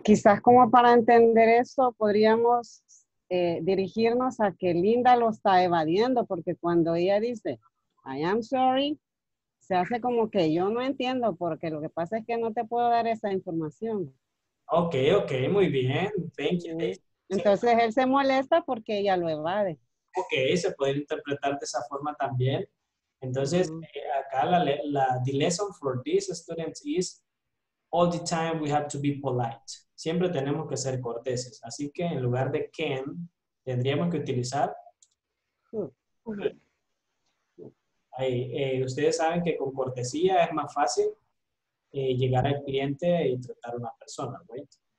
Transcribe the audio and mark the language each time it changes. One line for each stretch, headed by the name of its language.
Spanish: Quizás como para entender eso, podríamos dirigirnos a que Linda lo está evadiendo, porque cuando ella dice,
English: I am sorry,
Spanish: se hace como que yo no entiendo, porque lo que pasa es que no te puedo dar esa información.
English: Okay, okay,
Spanish: muy bien.
English: Thank you, Daisy.
Spanish: Entonces él se molesta porque ella lo evade. Okay, se puede interpretar de esa forma también. Entonces, acá
English: the lesson for these students is, all the time we have to be polite.
Spanish: Siempre tenemos que ser corteses. Así que en lugar de can, tendríamos que utilizar. Ahí, ustedes saben que con cortesía es más fácil llegar al cliente y tratar a una persona, right?